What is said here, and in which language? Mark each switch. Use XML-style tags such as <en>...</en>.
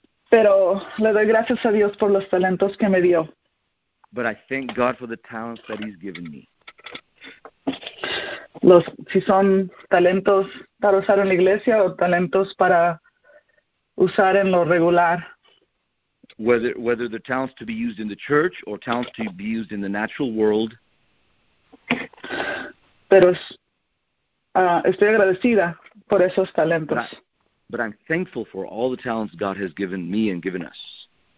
<es>Pero le doy gracias a Dios por los talentos que me dio.</es> <en>But I thank God for the talents that he's given me.</en> <es>Los, si son talentos para usar en la iglesia o talentos para usar en lo regular.</es> <en>Whether the talents to be used in the church or talents to be used in the natural world.</en> <es>Pero estoy agradecida por esos talentos.</es> <en>But I'm thankful for all the talents God has given me and given us.</en>